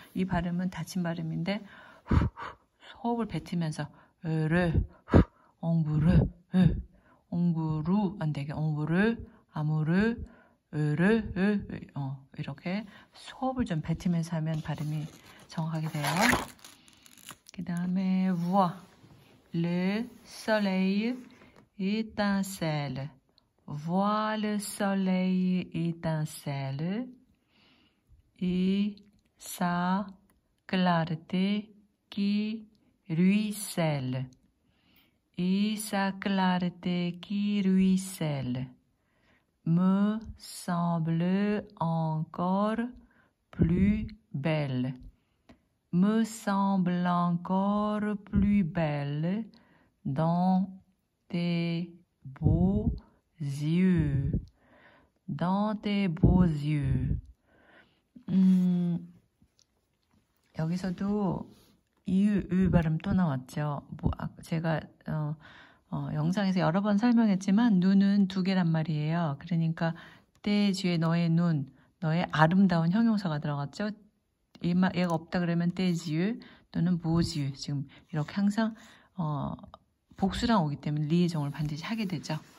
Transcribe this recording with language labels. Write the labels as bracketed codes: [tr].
[ko] 이 발음은 닫힌 발음인데 호흡을 뱉으면서 으르 옹부르 으 옹부루 안 되게 옹부르 아무르 으르 으 이렇게 호흡을 좀 뱉으면서 하면 발음이 정확하게 돼요. [fr] 그다음에 voix le soleil étincelle voix le soleil étincelle et sa clarté qui ruisselle et sa clarté qui ruisselle me semble encore plus belle me semble encore plus belle dans tes beaux yeux dans tes beaux yeux [ko] 여기서도 이유 발음 또 나왔죠. 뭐 제가 영상에서 여러 번 설명했지만 눈은 두 개란 말이에요. 그러니까 떼 뒤에 너의 눈, 너의 아름다운 형용사가 들어갔죠. 얘가 없다 그러면 떼지유 또는 보지유 지금 이렇게 항상 복수랑 오기 때문에 리에정을 반드시 하게 되죠.